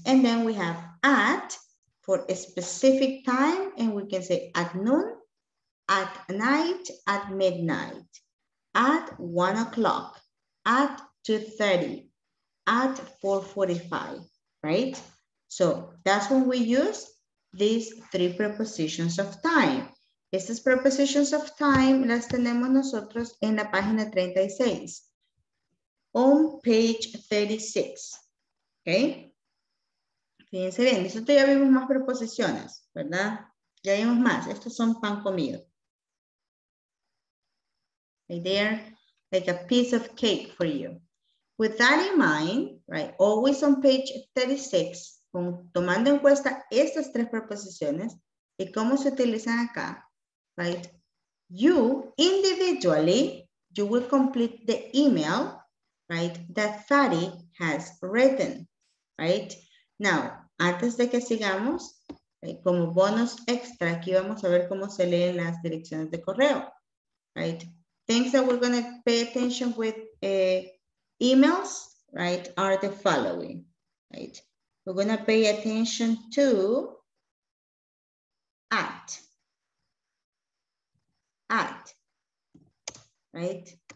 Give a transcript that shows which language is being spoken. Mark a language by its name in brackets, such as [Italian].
[English] And then we have at for a specific time, and we can say at noon, at night, at midnight, at 1 o'clock, at 2:30, at 4:45, right? So that's when we use these three prepositions of time. [Spanish] Estas [English] prepositions of time [Spanish] las tenemos nosotros en la página 36. [English] On page 36, okay? [Spanish] Fíjense bien, nosotros ya vimos más preposiciones, ¿verdad? Ya vimos más, estos son pan comido. [English] Right there, like a piece of cake for you. With that in mind, right, always on page 36, [Spanish] tomando en cuenta estas tres preposiciones y cómo se utilizan acá, [English] right, you, individually, you will complete the email, right, that Fatty has written, right? [Spanish] Now, antes de que sigamos, right, como bonus extra, aquí vamos a ver cómo se leen las direcciones de correo, right? [English] Things that we're going to pay attention with emails, right, are the following, right? We're going to pay attention to at, right?